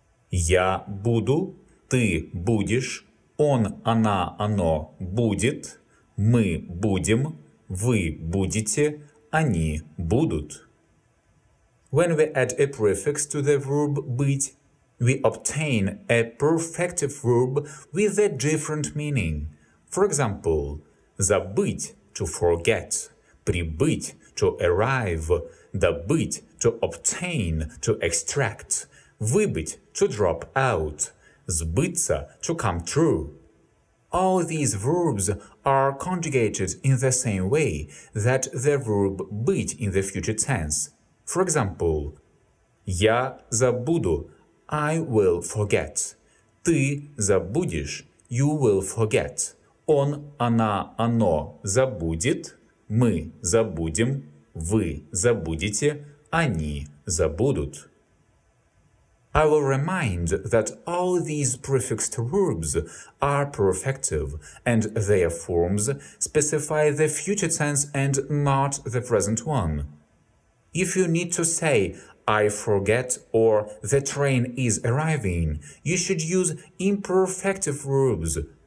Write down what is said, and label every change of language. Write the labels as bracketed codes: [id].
[ru] «Я буду», «ты будешь», «он», «она», «оно» «будет». Мы будем, вы будете, они будут. [en] When we add a prefix to the verb быть, we obtain a perfective verb with a different meaning. For example, забыть – to forget, прибыть – to arrive, добыть – to obtain, to extract, выбыть – to drop out, сбыться – to come true. All these verbs are conjugated in the same way that the verb быть in the future tense. For example, [ru] я забуду, [en] I will forget. [ru] Ты забудешь, [en] you will forget. [ru] Он, она, оно забудет. Мы забудем, вы забудете, они забудут. [en] I will remind that all these prefixed verbs are perfective, and their forms specify the future tense and not the present one. If you need to say I forget or the train is arriving, you should use imperfective verbs.